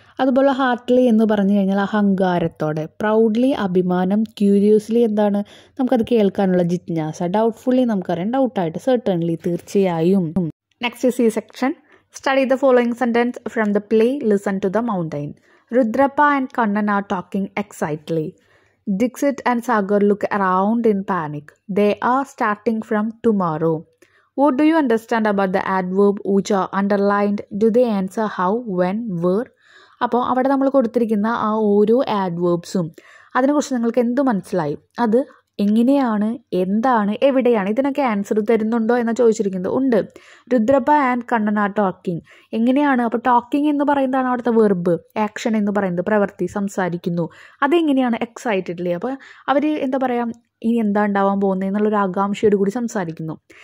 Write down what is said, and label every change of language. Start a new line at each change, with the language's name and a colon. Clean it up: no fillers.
Malayalam: അതുപോലെ ഹാർട്ട്ലി എന്ന് പറഞ്ഞു കഴിഞ്ഞാൽ അഹങ്കാരത്തോടെ, പ്രൗഡ്ലി അഭിമാനം, ക്യൂരിയസ്ലി എന്താണ് നമുക്കത് കേൾക്കാനുള്ള ജിജ്ഞാസ, ഡൗട്ട്ഫുള്ളി നമുക്കറിയാം ഡൗട്ടായിട്ട്, സെർട്ടൈൻലി തീർച്ചയായും.
English: Next C section, study the following sentence from the play listen to the mountain. Rudrappa and Kannan are talking excitedly. Dixit and Sagar look around in panic. They are starting from tomorrow. What do you understand about the adverb which are underlined? Do they answer how, when, where?
Malayalam: അപ്പോൾ അവിടെ നമ്മൾ കൊടുത്തിരിക്കുന്ന ആ ഓരോ ആഡ്വേർബ്സും അതിനെക്കുറിച്ച് നിങ്ങൾക്ക് എന്ത് മനസ്സിലായി, അത് എങ്ങനെയാണ്, എന്താണ്, എവിടെയാണ്, ഇതിനൊക്കെ ആൻസർ തരുന്നുണ്ടോ എന്ന് ചോദിച്ചിരിക്കുന്നത്. ഉണ്ട്.
English: Rudrappa and Kannan are talking
Malayalam: എങ്ങനെയാണ്, അപ്പോൾ ടോക്കിംഗ് എന്ന് പറയുന്നതാണ് അവിടുത്തെ വെർബ്, ആക്ഷൻ എന്ന് പറയുന്നത് പ്രവൃത്തി, സംസാരിക്കുന്നു, അതെങ്ങനെയാണ് എക്സൈറ്റഡ്ലി, അപ്പോൾ അവർ എന്താ പറയുക, ഇനി എന്താ ഉണ്ടാവാൻ പോകുന്നത് എന്നുള്ളൊരു ആകാംക്ഷയോട് കൂടി സംസാരിക്കുന്നു.